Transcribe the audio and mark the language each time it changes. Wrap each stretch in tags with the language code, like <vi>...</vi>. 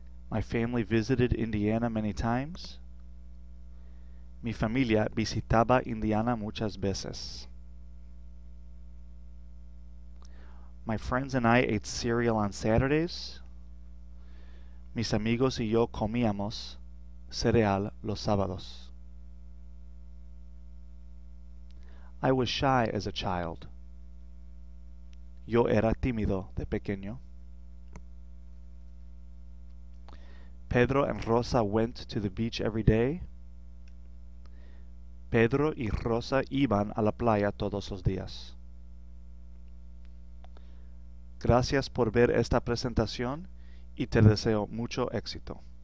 <en>My family visited Indiana many times.</en> <es>Mi familia visitaba Indiana muchas veces.</es> <en>My friends and I ate cereal on Saturdays.</en> <es>Mis amigos y yo comíamos cereal los sábados.</es> <en>I was shy as a child.</en> <es>Yo era tímido de pequeño.</es> <en>Pedro and Rosa went to the beach every day.</en> <es>Pedro y Rosa iban a la playa todos los días. Gracias por ver esta presentación y te deseo mucho éxito.</es>